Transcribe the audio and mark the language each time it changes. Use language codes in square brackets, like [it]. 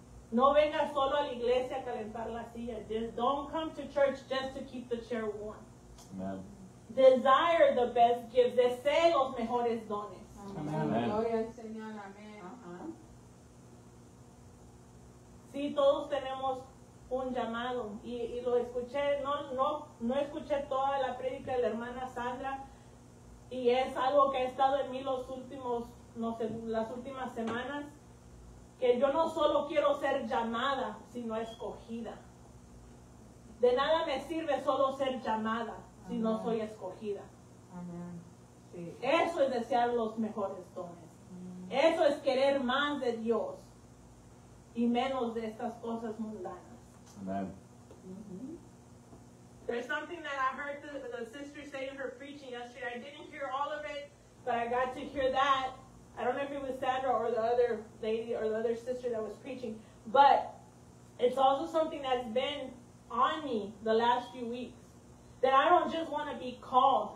[es] No venga solo a la iglesia a calentar la silla. [en] Just don't come to church just to keep the chair warm. Amen. Desire the best gifts. [es] Desee los mejores dones. [en] Amen. [es] Gloria al Señor. Amen. Sí, todos tenemos un llamado, y lo escuché, no escuché toda la prédica de la hermana Sandra, Y es algo que ha estado en mí los últimos, no sé, las últimas semanas, que yo no solo quiero ser llamada, sino escogida. De nada me sirve solo ser llamada, si no soy escogida. Amén. Sí. Eso es desear los mejores dones. Amén. Eso es querer más de Dios y menos de estas cosas mundanas. Amén. [en] There's something that I heard the sister say in her preaching yesterday. I didn't hear all of it, but I got to hear that. I don't know if it was Sandra or the other lady or the other sister that was preaching, but it's also something that's been on me the last few weeks, that I don't just want to be called.